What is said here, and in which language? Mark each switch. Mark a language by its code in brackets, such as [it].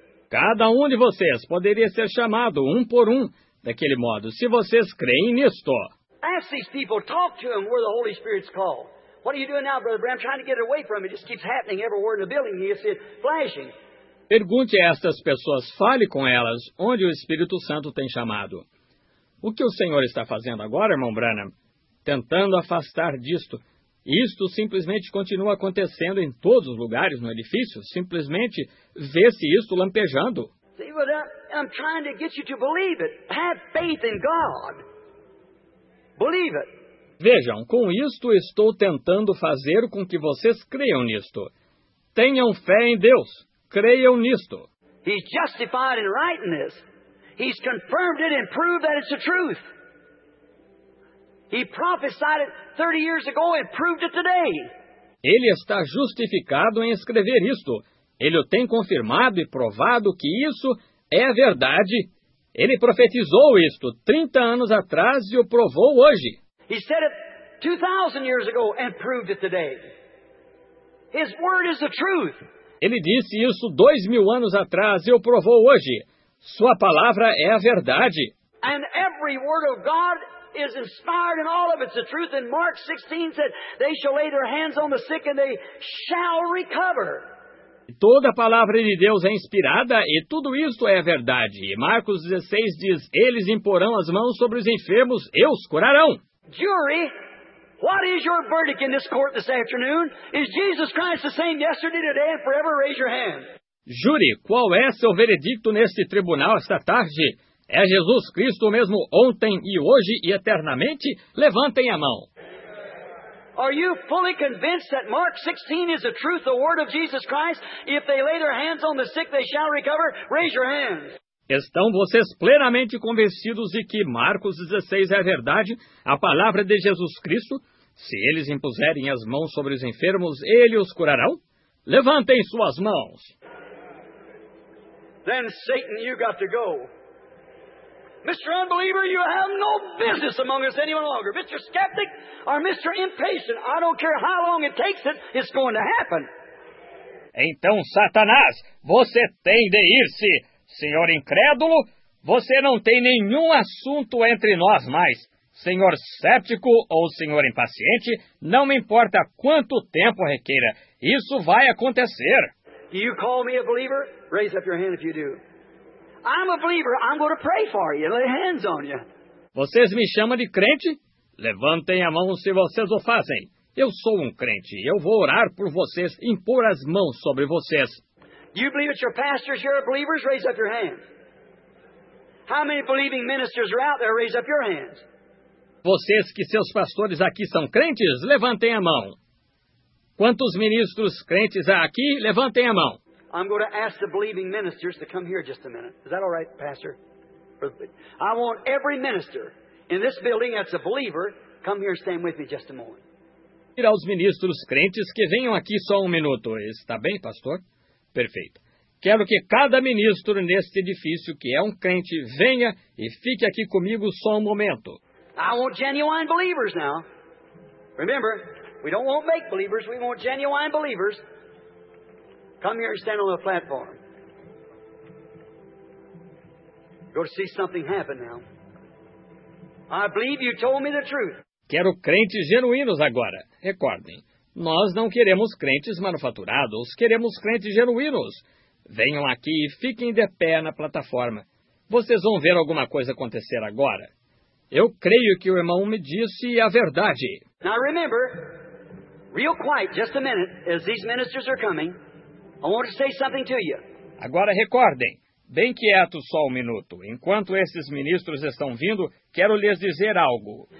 [pt] Cada um de vocês poderia ser chamado um por um daquele modo, se vocês creem nisto. [en] Ask these people, talk to them where the Holy Spirit's called. What are you doing now, Brother Bram? Trying to get it away from me. It just keeps happening everywhere in the building. You see it flashing. [pt] Pergunte a estas pessoas, fale com elas, onde o Espírito Santo tem chamado. O que o Senhor está fazendo agora, irmão Branham? Tentando afastar disto. Isto simplesmente continua acontecendo em todos os lugares no edifício. Simplesmente vê-se isto lampejando. [en] See, but I'm trying to get you to believe it. Have faith in God. Believe it. [pt] Vejam, com isto estou tentando fazer com que vocês creiam nisto. Tenham fé em Deus. Creiam nisto. [en] He's justified in writing this. He's confirmed it and proved that it's the truth. He prophesied it 30 years ago and proved it today. [pt] Ele está justificado em escrever isto. Ele o tem confirmado e provado que isso é a verdade. Ele profetizou isto 30 anos atrás e o provou hoje. [en] He said it 2,000 years ago and proved it today. His word is the truth. [pt] Ele disse isso 2,000 anos atrás e o provou hoje. Sua palavra é a verdade. [en] And every word of God is inspired in all of it's the truth. And Mark 16 said, they shall lay their hands on the sick and they shall recover. [pt] Toda a palavra de Deus é inspirada e tudo isto é verdade. E Marcos 16 diz, eles imporão as mãos sobre os enfermos e os curarão. [en] Jury, what is your verdict in this court this afternoon? Is Jesus Christ the same yesterday, today and forever? Raise your hand. [pt] Júri, qual é seu veredicto neste tribunal esta tarde? É Jesus Cristo mesmo ontem e hoje e eternamente? Levantem a mão. [en] Are you fully convinced that Mark 16 is the truth, the word of Jesus Christ? If they lay their hands on the sick, they shall recover? Raise your hands. [pt] Estão vocês plenamente convencidos de que Marcos 16 é a verdade, a palavra de Jesus Cristo? Se eles impuserem as mãos sobre os enfermos, eles os curarão? Levantem suas mãos. [en] Then Satan, you got to go. Mr. Unbeliever, you have no business among us any longer. Mr. Skeptic or Mr. Impatient, I don't care how long it takes it, it's going to happen. [pt] Então, Satanás, você tem de ir-se. Senhor incrédulo, você não tem nenhum assunto entre nós mais. Senhor cético ou senhor impaciente, não me importa quanto tempo requeira, isso vai acontecer. [en] Do you call me a believer? Raise up your hand if you do. I'm a believer. I'm going to pray for you. Lay hands on you. [pt] Vocês me chamam de crente? Levantem a mão se vocês o fazem. Eu sou um crente. Eu vou orar por vocês, impor as mãos sobre vocês. [en] Do you believe it's your pastors here are believers? Raise up your hands. How many believing ministers are out there? Raise up your hands. [pt] Vocês que seus pastores aqui são crentes? Levantem a mão. Quantos ministros crentes há aqui? Levantem a mão. [en] I'm going to ask the believing ministers to come here just a minute. Is that all right, Pastor? I want every minister in this building that's a believer, come here and stand with me just a moment. [pt] Pedir aos ministros crentes que venham aqui só um minuto. Está bem, Pastor? Perfeito. Quero que cada ministro neste edifício que é um crente venha e fique aqui comigo só um momento. [en] I want genuine believers now. Remember, we don't want make believers, we want genuine believers. Come here and stand on the platform. Go to see something happen now. I believe you told me the truth. [pt] Quero crentes genuínos agora. Recordem, nós não queremos crentes manufaturados, queremos crentes genuínos. Venham aqui e fiquem de pé na plataforma. Vocês vão ver alguma coisa acontecer agora. Eu creio que o irmão me disse a verdade. [en] Now remember, real quiet, just a minute, as these ministers are coming, I want to say something to you. [pt] Agora recordem, bem quieto só um minuto. Enquanto esses ministros estão vindo, quero lhes dizer algo.